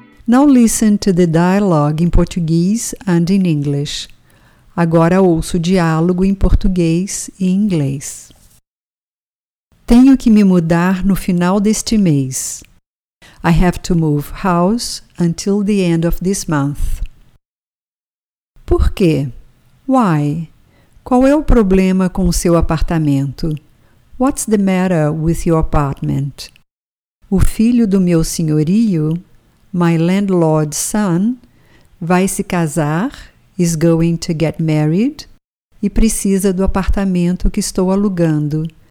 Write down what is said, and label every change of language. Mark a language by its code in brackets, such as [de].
[en] Now listen to the dialogue in Portuguese and in English. [pt] Agora ouça o diálogo em português e inglês. Tenho que me mudar no final deste mês. [en] I have to move house until the end of this month. [pt] Por quê? [en] Why? [pt] Qual é o problema com o seu apartamento? [en] What's the matter with your apartment? [pt] O filho do meu senhorio, [en] my landlord's son, [pt] vai se casar, [en] is going to get married, [pt] e precisa do apartamento que estou alugando.